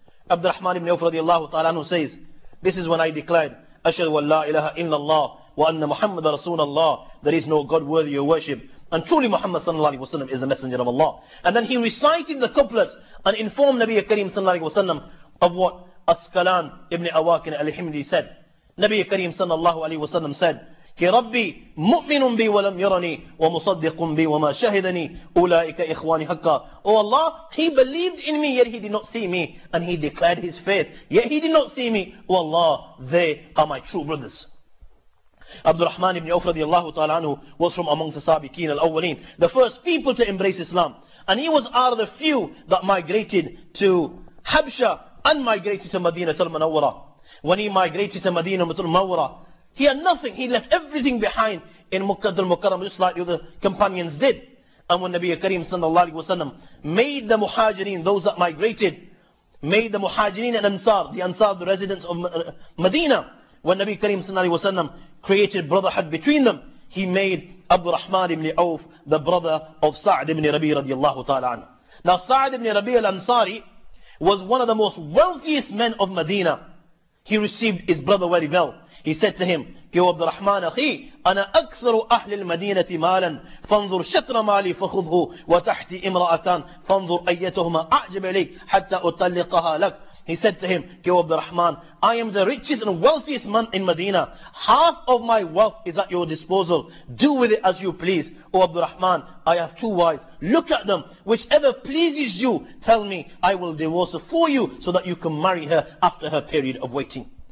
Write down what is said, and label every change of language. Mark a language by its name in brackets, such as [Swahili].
[English] Abdul Rahman ibn Awf radiallahu ta'ala anhu says, this is when I declared, [Arabic] Ashhadu an la ilaha illallah وَأَنَّ مُحَمَّدَ رَسُولَ اللَّهِ [English] There is no God worthy of worship. And truly Muhammad sallallahu alayhi wa sallam is the messenger of Allah. And then he recited the couplets and informed Nabi Kareem sallallahu alayhi wa sallam of what Asqalan ibn Awakin al-Himdi said. Nabi Kareem sallallahu alayhi wa sallam said, [Arabic] كي ربي مؤمن بي ولم يرني ومصدق بي وما شهدني أولئك إخواني حقا. [English] Oh Allah, he believed in me yet he did not see me, and he declared his faith yet he did not see me. Oh Allah, they are my true brothers. Abdurrahman ibn Awf radiallahu ta'ala anhu was from amongst the Sabiqeen al-Awwaleen, the first people to embrace Islam, and he was out of the few that migrated to Habsha and migrated to Madinatul Munawwara. When he migrated to Madinatul Munawwara, he had nothing. He left everything behind in Makkah al-Mukarram, just like the other companions did. And when Nabi Kareem sallallahu alayhi wa sallam made the Muhajireen, those that migrated, made the Muhajireen and Ansar, the Ansar, the residents of Medina, when Nabi Kareem sallallahu alayhi wa sallam created brotherhood between them, he made Abdurrahman ibn Auf the brother of Sa'd ibn Rabi radiallahu ta'ala anhu. Now Sa'd ibn Rabi al-Ansari was one of the most wealthiest men of Medina. He received his brother very well. He said to him, [Arabic] يا عبد الرحمن أخي أنا أكثر أهل المدينة مالا فانظر شطر مالي فخذه وتحتي امرأتان فانظر أيتهما أعجب إليك حتى أطلقها لك. [English] He said to him, [Arabic] يا عبد الرحمن, [English] I am the richest and wealthiest man in Medina. Half of my wealth is at your disposal. Do with it as you please. O عبد الرحمن, I have two wives. Look at them. Whichever pleases you, tell me, I will divorce her for you so that you can marry her after her period of waiting.